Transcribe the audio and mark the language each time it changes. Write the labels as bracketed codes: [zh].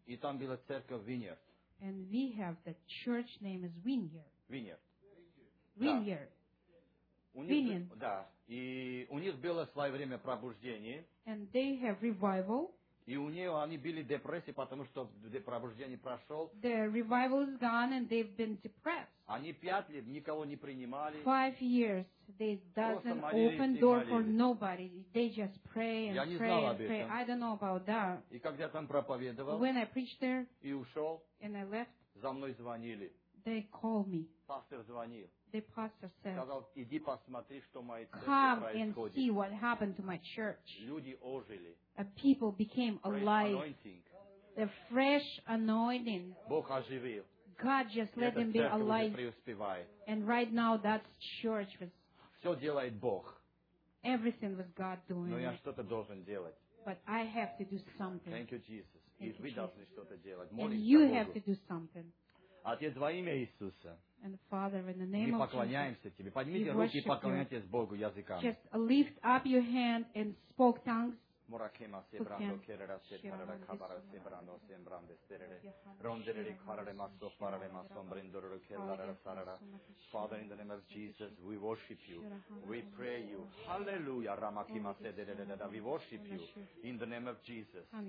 [ru] И там была церковь Виньерд. [en] And we have the church name is Виньерд. [ru] Виньерд. Виньерд. Виньерд. Да. И у них было в свое время пробуждение. [en] And they have revival. [ru] И у нее они были депрессии, потому что пробуждение прошел. [en] The revival is gone and they've been depressed. [ru] Они 5 лет никого не принимали. [en] 5 years they doesn't open door for nobody. They just pray and pray and pray. I don't know about that. [ru] И когда я там проповедовал, [en] when I preached there, [ru] и ушел, [en] and I left, [ru] за мной звонили. [en] They call me. [ru] Пастор звонил. [en] The pastor said, [ru] сказал, иди посмотри, что моя церковь [en] Come [ru] происходит. [en] And see what happened to my church. [ru] Люди ожили. [en] A people became alive. The fresh anointing. [ru] Бог оживил. [en] God just let them be alive. [ru] Эта церковь уже преуспевает. [en] And right now that church was. [ru] Все делает Бог. [en] Everything was God doing. [ru] Но я что-то должен делать. [en] But I have to do something. Thank you, Jesus. Thank [ru] и вы должны что-то делать. [en] And you have to do something. [ru] Отец, во имя Иисуса. [en] And Father, in the name of Jesus, [ru] тебе. Поднимите руки и поклоняйтесь Богу языками. [en] Just lift up your hand and spoke tongues. Murakema sebrando kerera sebrara kabara sebrando sembrando sterere rondere kharare maso farare maso brindoro kerara sarara Father in the name of Jesus we worship you we pray you hallelujah ramakima sederere da we worship you in the name of Jesus